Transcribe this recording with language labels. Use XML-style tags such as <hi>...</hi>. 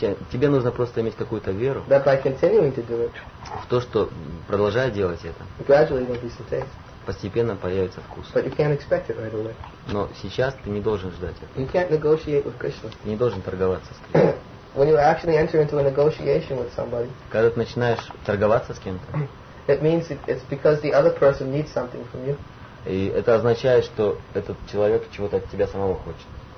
<ru>Тебе нужно просто иметь какую-то веру.</ru> <en>That by continuing to do it.</en> <ru>В то, что продолжая делать это.</ru> <en>Gradually there'll be some taste.</en> <ru>Постепенно появится вкус.</ru> <en>But you can't expect it right away.</en> <ru>Но сейчас ты не должен ждать этого.</ru> <en>You can't negotiate with Krishna.</en> <ru>Не должен торговаться с Кришной.</ru> <en>When you actually enter into a negotiation with somebody.</en> <ru>Когда ты начинаешь торговаться с кем-то.</ru> <en>It means it's because the other person needs something from you.</en> <ru>И это означает, что этот человек чего-то от тебя самого хочет.</ru>